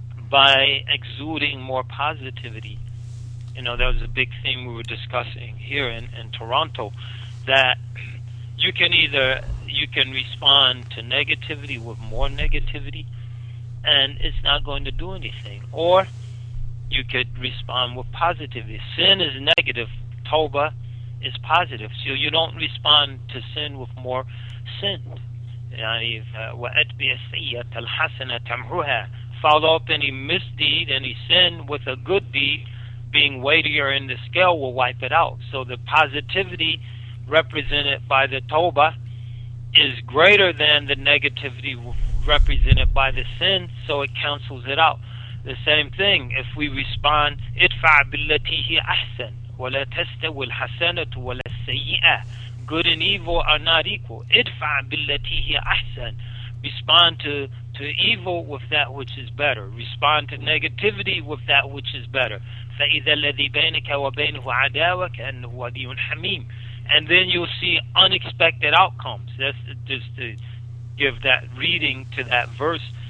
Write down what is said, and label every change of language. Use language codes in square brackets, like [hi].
[en] By exuding more positivity. You know, that was a big thing we were discussing here in Toronto, that you can respond to negativity with more negativity, and it's not going to do anything. Or you could respond with positivity. Sin is negative, tawbah is positive. So you don't respond to sin with more sin. [ar] يعني وأتبع السيئة الحسنة تمحوها. [en] Follow up any misdeed, any sin with a good deed, being weightier in the scale will wipe it out. So the positivity represented by the Tawbah is greater than the negativity represented by the sin, so it cancels it out. The same thing, if we respond, [ar] ادفع بالتي هي أحسن ولا تستوي الحسنة ولا السيئة. [en] Good and evil are not equal. [ar] ادفع بالتي هي أحسن. [en] Respond to evil with that which is better. Respond to negativity with that which is better. [ar] فإذا الذي بينك وبينه عداوة كأنه ولي حميم. [en] And then you'll see unexpected outcomes. That's just to give that reading to that verse.